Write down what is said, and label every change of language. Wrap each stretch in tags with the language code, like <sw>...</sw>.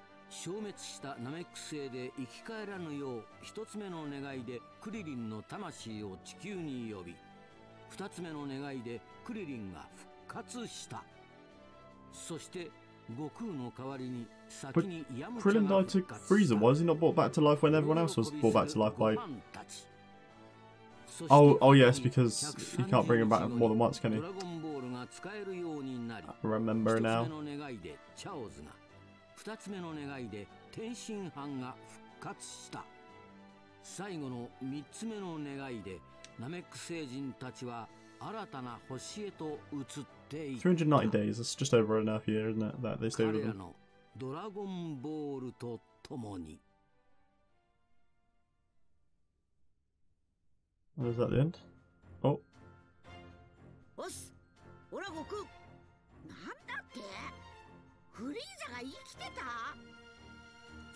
<ja>消滅したナメック星で生き返らぬよう、一つ目の願いでクリリンの魂を地球に呼び、二つ目の願いでクリリンが復活した。そして悟空の代わりに先にヤムチャが復活した。</ja> <en>クリリン died to Frieza. Why is he not brought back to life when everyone else was brought back to life by... Oh yes, because he can't bring him back more than once, can he?</en> <ja>ドラゴンボールが使えるようになり、</ja> <en>I remember now.</en> <ja>一つ目の願いでチャオズが、二つ目の願いで天津飯が復活した。最後の三つ目の願いでナメック星人たちは新たな星へと移っていった。</ja> <en>390 days, it's just over enough year, isn't it, that they stay with them.</en> <ja>彼らのドラゴンボールと共に。</ja> <en>What is that, the end? Oh.</en> <ja>おっす、オラゴク、なんだっけ、フリーザが生きてた。</ja>